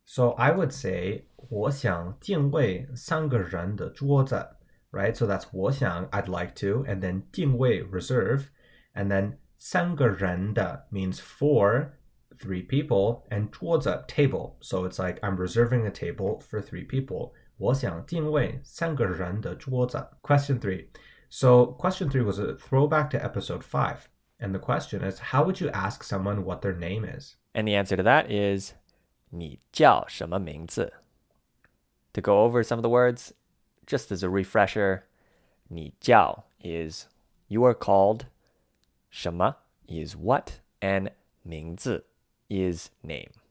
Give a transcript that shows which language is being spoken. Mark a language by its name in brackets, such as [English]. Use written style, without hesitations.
[English] So I would say [Chinese] 我想定位三个人的桌子, [English] right? So that's 我想, I'd like to, and then 定位, reserve, and then 三个人的 means 4, 3 people, and 桌子, table. So it's like I'm reserving a table for 3 people. [Chinese] 我想定位三个人的桌子。 [English] Question 3. So question 3 was a throwback to episode 5. And the question is, how would you ask someone what their name is? And the answer to that is, [Chinese] 你叫什么名字? [English] To go over some of the words, just as a refresher, 你叫 is, you are called, 什么 is what, and 名字 is name.